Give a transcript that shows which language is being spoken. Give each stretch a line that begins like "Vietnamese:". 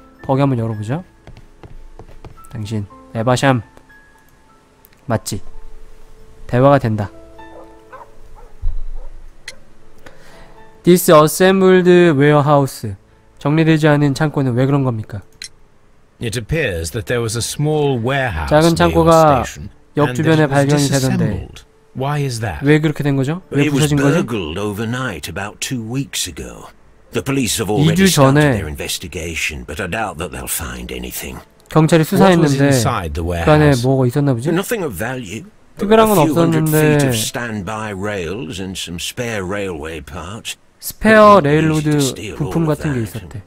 Korean: 거기 한번 열어보자. 당신 에바샴 맞지? 대화가 된다.
English: Disassembled warehouse.
Korean: 정리되지 않은 창고는 왜 그런 겁니까?
English: It appears that there was a small warehouse.
Korean: 작은 창고가 역 주변에 발견이 되던데.
English: Why is that?
Korean: 왜 그렇게 된 거죠? 왜 부서진 거죠?
English: It was burgled overnight about 2 weeks ago. The police have already started their investigation, but I doubt that they'll find anything.
Korean: 경찰이 수사했는데 그 안에 뭐가 있었나 보지?
English: Nothing of value.
Korean: 특별한 건 없었는데.
English: Standby rails and some spare railway parts.
Korean: 스페어 레일로드 부품 같은 게 있었대.